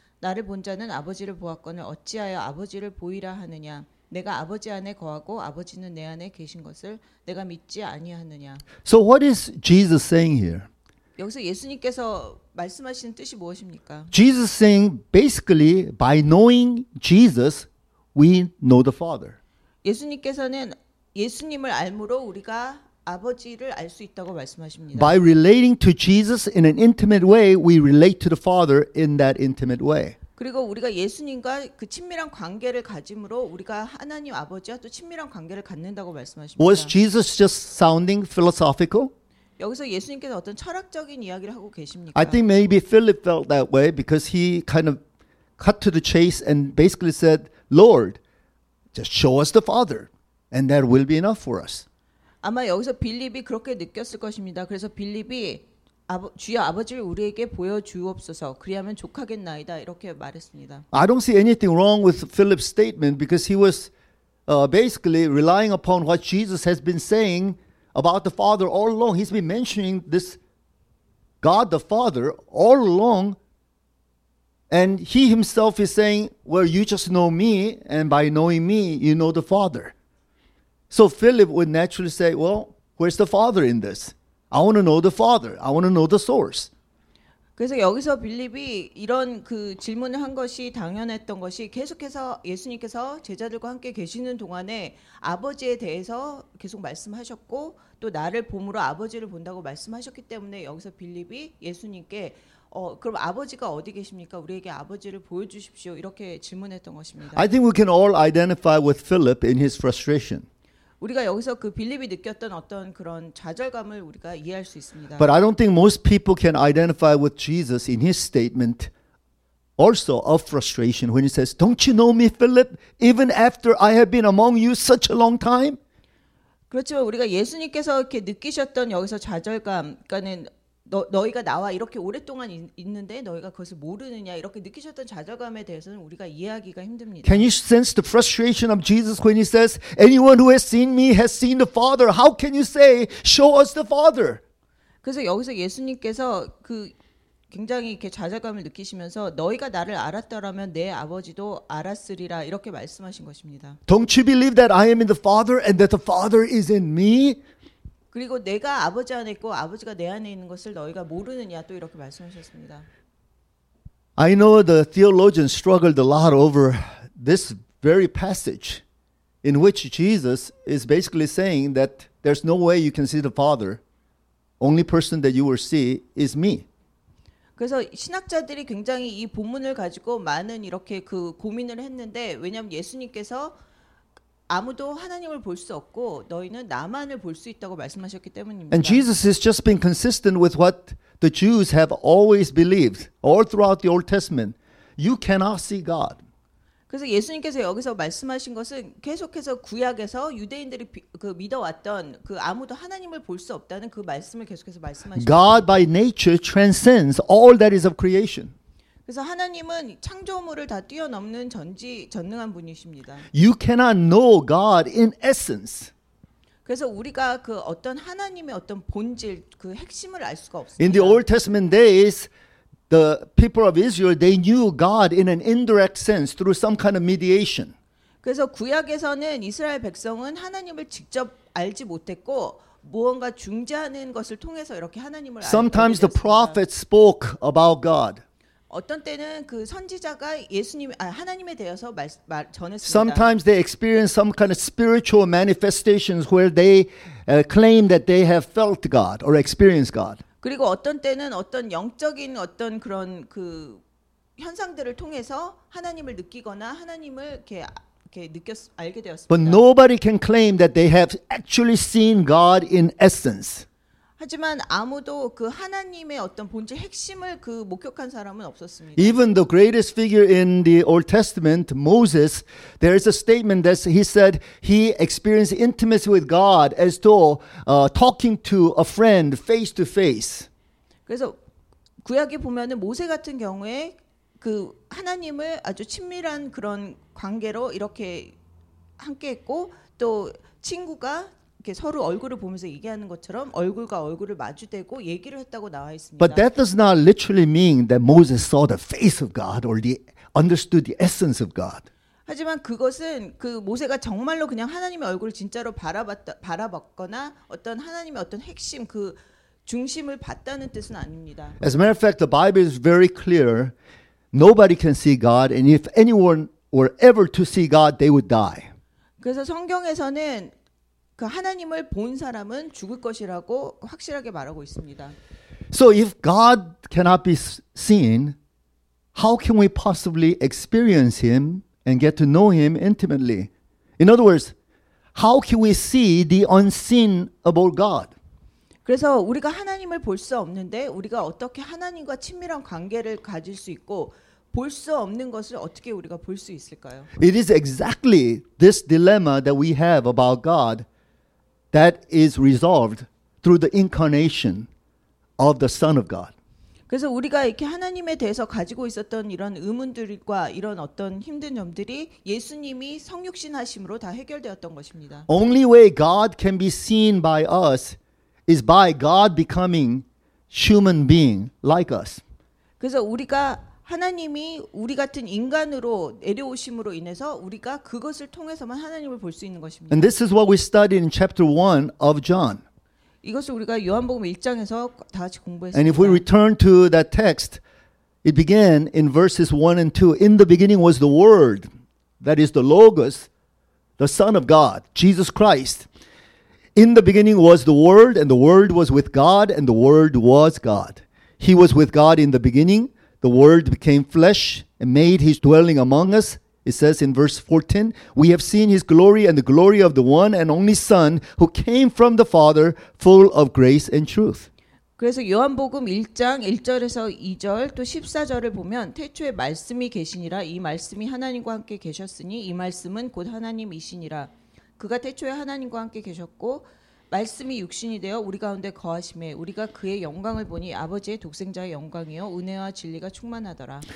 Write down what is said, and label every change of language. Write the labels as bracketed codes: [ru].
[ko] 나를 본 자는 아버지를 보았거늘 어찌하여 아버지를 보이라 하느냐. 내가 아버지 안에 거하고 아버지는 내 안에 계신 것을 내가 믿지 아니하느냐. [en] So what is Jesus saying here? [ko] 여기서 예수님께서 말씀하시는 뜻이 무엇입니까? [en] Jesus saying basically by knowing Jesus we know the Father. [ko] 예수님께서는 예수님을 알므로 우리가 아버지를 알 수 있다고 말씀하십니다. [en] By relating to Jesus in an intimate way we relate to the Father in that intimate way. [ko] 그리고 우리가 예수님과 그 친밀한 관계를 가짐으로 우리가 하나님 아버지와 또 친밀한 관계를 갖는다고 말씀하십니다. [en] Was Jesus just sounding philosophical? [ko] 여기서 예수님께서 어떤 철학적인 이야기를 하고 계십니까? [en] I think maybe Philip felt that way because he kind of cut to the chase and basically said, Lord, just show us the Father and that will be enough for us. [ko] 아마 여기서 빌립이 그렇게 느꼈을 것입니다. 그래서 빌립이 주여 아버지를 우리에게 보여 주옵소서. 그리하면 족하겠나이다. 이렇게 말했습니다. [en] I don't see anything wrong with Philip's statement because he was basically relying upon what Jesus has been saying about the Father all along. He's been mentioning this God the Father all along. And he himself is saying, well, you just know me and by knowing me, you know the Father. So Philip would naturally say, well, where's the Father in this? I want to know the Father. I want to know the source. [ko] 그래서 여기서 빌립이 이런 그 질문을 한 것이 당연했던 것이 계속해서 예수님께서 제자들과 함께 계시는 동안에 아버지에 대해서 계속 말씀하셨고 또 나를 보므로 아버지를 본다고 말씀하셨기 때문에 여기서 빌립이 예수님께 그럼 아버지가 어디 계십니까? 우리에게 아버지를 보여 주십시오. 이렇게 질문했던 것입니다. [en] I think we can all identify with Philip in his frustration. [ko] 우리가 여기서 그 빌립이 느꼈던 어떤 그런 좌절감을 우리가 이해할 수 있습니다. [en] But I don't think most people can identify with Jesus in his statement also of frustration when he says, "Don't you know me, Philip? Even after I have been among you such a long time?" [ko] 그렇지만 우리가 예수님께서 이렇게 느끼셨던 여기서 좌절감, 그러니까는 너희가 나와 이렇게 오랫동안 있는데 너희가 그것을 모르느냐 이렇게 느끼셨던 좌절감에 대해서는 우리가 이해하기가 힘듭니다. [en] Can you sense the frustration of Jesus when he says, "Anyone who has seen me has seen the Father. How can you say, show us the Father?" [ko] 그래서 여기서 예수님께서 그 굉장히 이렇게 좌절감을 느끼시면서 너희가 나를 알았더라면 내 아버지도 알았으리라 이렇게 말씀하신 것입니다. [en] Don't you believe that I am in the Father and that the Father is in me? [ko] 그리고 내가 아버지 안에 있고 아버지가 내 안에 있는 것을 너희가 모르느냐 또 이렇게 말씀하셨습니다. [en] I know the theologians struggled a lot over this very passage in which Jesus is basically saying that there's no way you can see the Father. Only person that you will see is me. [ko] 그래서 신학자들이 굉장히 이 본문을 가지고 많은 이렇게 그 고민을 했는데 왜냐면 예수님께서 아무도 하나님을 볼 수 없고 너희는 나만을 볼 수 있다고 말씀하셨기 때문입니다. [en] And Jesus has just been consistent with what the Jews have always believed all throughout the Old Testament. You cannot see God. [ko] 그래서 예수님께서 여기서 말씀하신 것은 계속해서 구약에서 유대인들이 그 믿어왔던 그 아무도 하나님을 볼 수 없다는 그 말씀을 계속해서 말씀하십니다. [en] God by nature transcends all that is of creation. [ko] 그래서 하나님은 창조물을 다 뛰어넘는 전지전능한 분이십니다. [en] You cannot know God in essence. [ko] 그래서 우리가 그 어떤 하나님의 어떤 본질 그 핵심을 알 수가 없습니다. [en] In the Old Testament days, the people of Israel, they knew God in an indirect sense through some kind of mediation. [ko] 그래서 구약에서는 이스라엘 백성은 하나님을 직접 알지 못했고 무언가 중재하는 것을 통해서 이렇게 하나님을 알게 됐습니다. [en] Sometimes the prophets spoke about God. [ko] 어떤 때는 그 선지자가 예수님 아 하나님에 대해서 말 전했습니다. [en] Sometimes they experience some kind of spiritual manifestations where they claim that they have felt God or experienced God. [ko] 그리고 어떤 때는 어떤 영적인 어떤 그런 그 현상들을 통해서 하나님을 느끼거나 하나님을 이렇게 느꼈 알게 되었습니다. [en] But nobody can claim that they have actually seen God in essence. [ko] 하지만 아무도 그 하나님의 어떤 본질 핵심을 그 목격한 사람은 없었습니다. [en] Even the greatest figure in the Old Testament, Moses, there is a statement that he said he experienced intimacy with God as though talking to a friend face to face. [ko] 그래서 구약에 보면은 모세 같은 경우에 그 하나님을 아주 친밀한 그런 관계로 이렇게 함께했고 또 친구가 이렇게 서로 얼굴을 보면서 얘기하는 것처럼 얼굴과 얼굴을 마주대고 얘기를 했다고 나와 있습니다. [en] But that does not literally mean that Moses saw the face of God or understood the essence of God. [ko] 하지만 그것은 그 모세가 정말로 그냥 하나님의 얼굴을 진짜로 바라봤거나 어떤 하나님의 어떤 핵심 그 중심을 봤다는 뜻은 아닙니다. [en] As a matter of fact, the Bible is very clear. Nobody can see God, and if anyone were ever to see God, they would die. [ko] 그래서 성경에서는 그 하나님을 본 사람은 죽을 것이라고 확실하게 말하고 있습니다. [en] So if God cannot be seen, how can we possibly experience him and get to know him intimately? In other words, how can we see the unseen about God? [ko] 그래서 우리가 하나님을 볼 수 없는데 우리가 어떻게 하나님과 친밀한 관계를 가질 수 있고 볼 수 없는 것을 어떻게 우리가 볼 수 있을까요? [en] It is exactly this dilemma that we have about God. That is resolved through the incarnation of the Son of God. [ko] 그래서 우리가 이렇게 하나님에 대해서 가지고 있었던 이런 의문들과 이런 어떤 힘든 점들이 예수님이 성육신하심으로 다 해결되었던 것입니다. [en] Only way God can be seen by us is by God becoming human being like us. [ko] 그래서 우리가 하나님이 우리 같은 인간으로 내려오심으로 인해서 우리가 그것을 통해서만 하나님을 볼 수 있는 것입니다. [en] And this is what we studied in chapter 1 of John. [ko] 이것을 우리가 요한복음 1장에서 다 같이 공부했습니다. [en] And if we return to that text, it began in verses 1 and 2. In the beginning was the Word, that is the Logos, the Son of God, Jesus Christ. In the beginning was the Word, and the Word was with God, and the Word was God. He was with God in the beginning. The Word became flesh and made his dwelling among us. It says in verse 14, we have seen his glory and the glory of the one and only Son who came from the Father, full of grace and truth. [ko] 그래서 요한복음 1장 1절에서 2절 또 14절을 보면 태초에 말씀이 계시니라 이 말씀이 하나님과 함께 계셨으니 이 말씀은 곧 하나님이시니라 그가 태초에 하나님과 함께 계셨고 말씀이 육신이 되어 우리 가운데 거하심에 우리가 그의 영광을 보니 아버지의 독생자의 영광이요 은혜와 진리가 충만하더라.